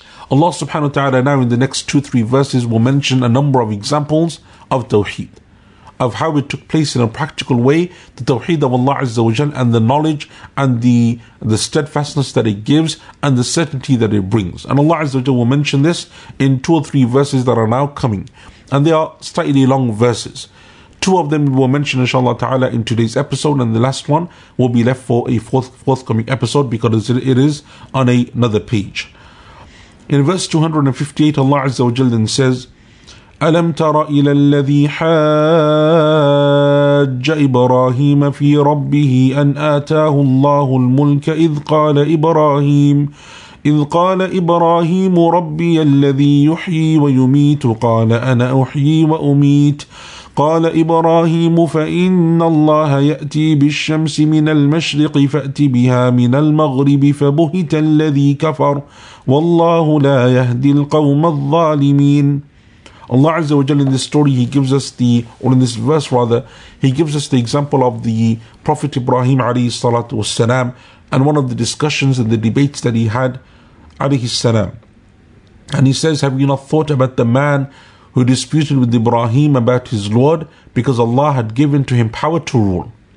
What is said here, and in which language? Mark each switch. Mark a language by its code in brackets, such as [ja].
[en] Allah subhanahu wa ta'ala now in the next 2-3 verses will mention a number of examples of tawheed, of how it took place in a practical way, the tawheed of Allah Azza wa Jal, and the knowledge and the steadfastness that it gives and the certainty that it brings. And Allah Azza wa Jal will mention this in 2-3 verses that are now coming. And they are slightly long verses. Two of them will mention inshallah ta'ala in today's episode, and the last one will be left for a forthcoming episode because it is on another page. In verse 258, Allah Azza wa Jal then says, [ar] أَلَمْ تَرَ إِلَى الَّذِي حَاجَّ إِبْرَاهِيمَ فِي رَبِّهِ أَنْ آتَاهُ اللَّهُ الْمُلْكَ إِذْ قَالَ إِبْرَاهِيمُ إِذْ قَالَ إِبْرَاهِيمُ رَبِّيَ الَّذِي يُحْيِي وَيُمِيتُ قَالَ أَنَا أُحْيِي وَأُمِيتُ قال إبراهيم فإن الله يأتي بالشمس من المشرق فأتي بها من المغرب فبهت الذي كفر والله لا يهدي القوم الظالمين. [en] Allah Azza wa Jalla in this story, he gives us the, or in this verse rather, he gives us the example of the Prophet Ibrahim alayhi salatu wassalam and one of the discussions and the debates that he had alayhi salam. And he says, have you not thought about the man who disputed with Ibrahim about his Lord because Allah had given to him power to rule?